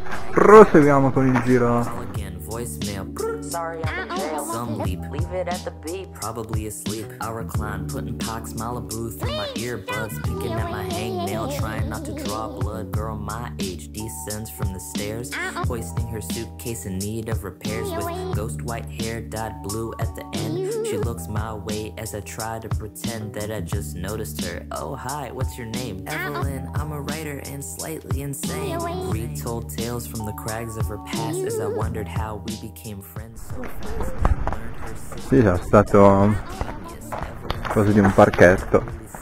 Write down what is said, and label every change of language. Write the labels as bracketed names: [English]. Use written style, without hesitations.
[Italian] Proseguiamo con il giro. [English] Some leap, leave it at the beep. Probably asleep. I recline, putting Pox Malibu through my earbuds, picking at my hangnail, trying not to draw blood. Girl, my age descends from the stairs, hoisting her suitcase in need of repairs. With ghost white hair dyed blue at the end, she looks my way as I try to pretend that I just noticed her. Oh, hi, what's your name? Evelyn, I'm a writer and slightly insane. Retold tales from the crags of her past as I wondered how we became friends so fast. [Italian] Sì, è stato quasi di un parchetto.